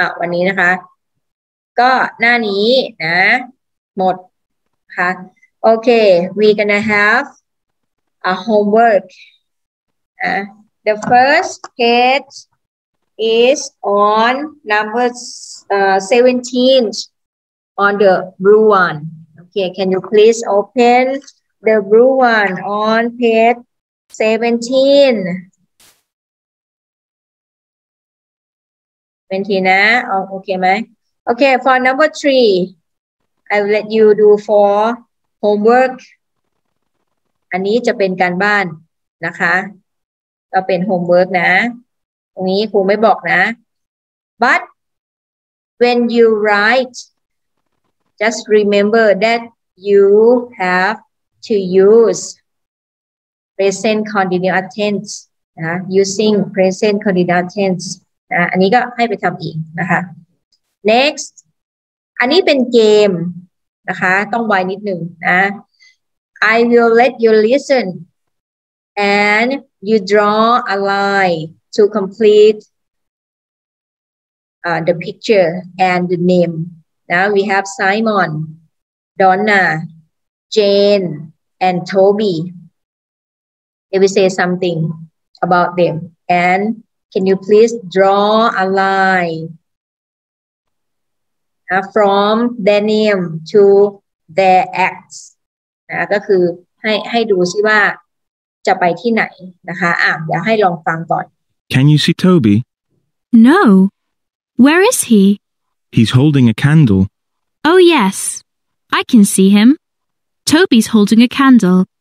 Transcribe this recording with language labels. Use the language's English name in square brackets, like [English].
[Thai] วันนี้นะคะก็หน้านี้นะหมดค่ะ [English] Okay, we gonna have a homework. The first page is on number 17 on the blue one. Okay, can you please open the blue one on page 17นะโอเคไหมโอเค for number 3 I will let you do for homework [Thai] อันนี้จะเป็นการบ้านนะคะก็เป็น [English] homework [Thai] นะตรงนี้ครูไม่บอกนะ [English] but when you write just remember that you have to usePresent continuous tense [Thai] นะ [English] using present continuous tense [Thai] นะอันนี้ก็ให้ไปทำอีกนะคะ next อันนี้เป็นเกมนะคะต้องไวนิดหนึ่งนะ [English] I will let you listen and you draw a line to complete the picture and the name. Now we have Simon, Donna, Jane, and Toby. They will say something about them. And can you please draw a line from their name to their acts? [Thai] นะก็คือให้ดูซิว่าจะไปที่ไหนนะคะอ่ะเดี๋ยวให้ลองฟังก่อน [English] Can you see Toby? No. Where is he? He's holding a candle. Oh yes. I can see him. Toby's holding a candle.